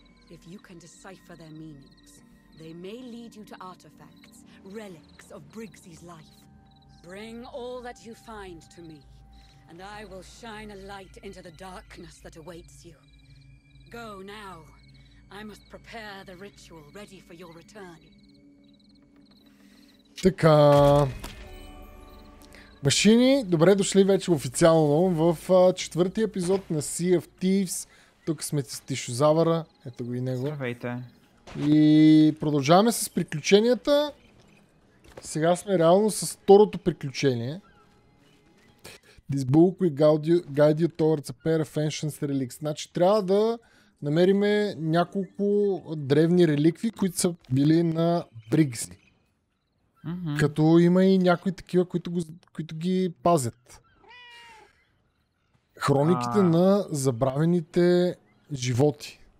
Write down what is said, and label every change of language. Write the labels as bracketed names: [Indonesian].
[English] If you can decipher their meanings, they may lead you to artifacts, relics of Briggsy's life. Bring all that you find to me, and I will shine a light into the darkness that awaits you. Go now. I must prepare the ritual ready for your return. [Bulgarian] Така. Машини, добре дошли вече официално в четвъртия епизод на Sea of Thieves. Тук сме с Тишозавъра, ето го и него. Здравейте. И продължаваме с приключенията. Сега сме реално с второто приключение. [English] This book will guide you towards a pair of ancient relics. [Bulgarian] Значи трябва да намериме няколко древни реликви, които са били на Briggsy. Mm-hmm. Като има и някои такива, които ги пазят. Хрониките на забравените животи.